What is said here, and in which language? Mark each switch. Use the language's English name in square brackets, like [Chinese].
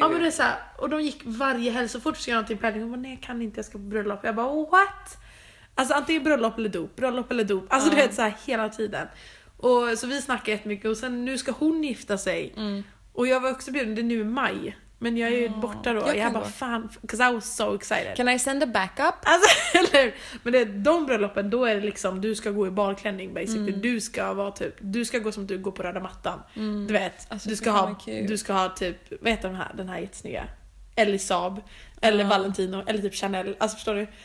[Swedish] Ja, men det är så här, och de gick varje helg så fort jag någonting på helg. Hon bara, nej jag kan inte, jag ska på bröllop. Jag bara, what? Alltså antingen bröllop eller dop, bröllop eller dop. Alltså du vet så här hela tiden. Och så vi snackar jättemycket och sen nu ska hon gifta sig. Mm. Och jag var också bjuden, det är nu i maj. Men jag är ju borta då. Jag bara, fan, [English] because I was so excited. Can I send a backup? [Swedish] Alltså, eller, men det, de bröllopen, då är det liksom, du ska gå i balklänning basically. Mm. Du ska vara typ, du ska gå som du går på röda mattan. Mm. Du vet, alltså, du ska ha typ, vad heter den här jättesnygga? Eller Saab, eller Valentino, eller typ Chanel. Alltså förstår du?